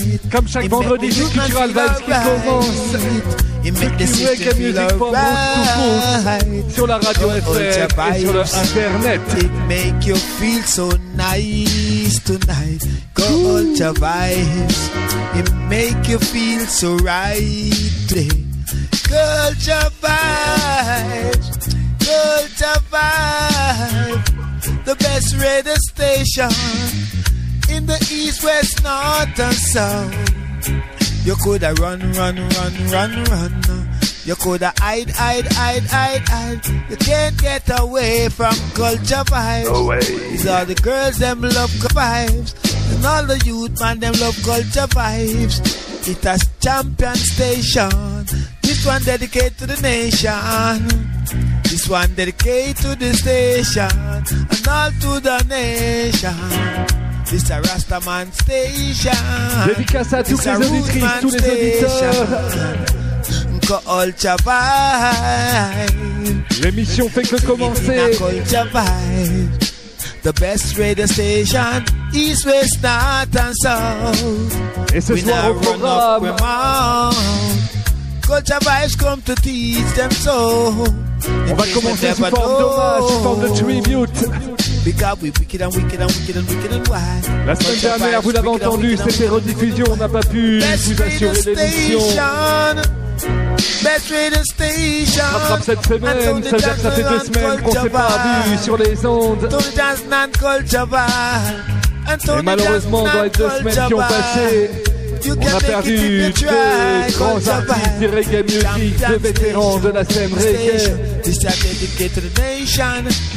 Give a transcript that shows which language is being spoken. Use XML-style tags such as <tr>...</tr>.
<fr>Comme chaque vendredi, c'est Cultural Vibes qui commence. Culture et musique pour tout sur la radio FM et sur le internet.</fr> <en>It make you feel so nice tonight. Culture vibes, it make you feel so right today. Culture vibes, culture vibes, the best radio station in the east, west, north and south. You coulda run, run, run, run, run. You coulda hide, hide, hide, hide, hide. You can't get away from culture vibes. No way. These are the girls, them love culture vibes. And all the youth, man, them love culture vibes. It has champion station. This one dedicated to the nation. This one dedicated to the station. And all to the nation. This a Rastaman station.</en> <fr>Dédicace à tous les auditrices, tous les auditeurs.</fr> <en>Culture vibes.</en> <fr>L'émission fait que commencer.</fr> <en>Culture vibes. The best radio station. East, west, north and south.</en> <fr>Et ce soir au programme.</fr> <en>Culture vibes come to teach them so.</en> <fr>On va commencer sous forme d'hommage, sous forme de tribute.</fr> <en>Because we wicked and wicked and wicked and wicked and why.</en> <fr>La semaine dernière, vous l'avez entendu, c'était rediffusion, on n'a pas pu vous assurer l'émission.</fr> <en>Best radio station.</en> <fr>On rattrape cette semaine, ça veut dire que ça fait deux semaines qu'on s'est pas vu sur les ondes.</fr> <en>Tony Johnson and culture vibe.</en> <fr>Et malheureusement, on doit être deux semaines qui ont passé. On a perdu deux grands artistes du reggae music, deux vétérans de la scène reggae.</fr> <en>This is dedicated to the nation.</en>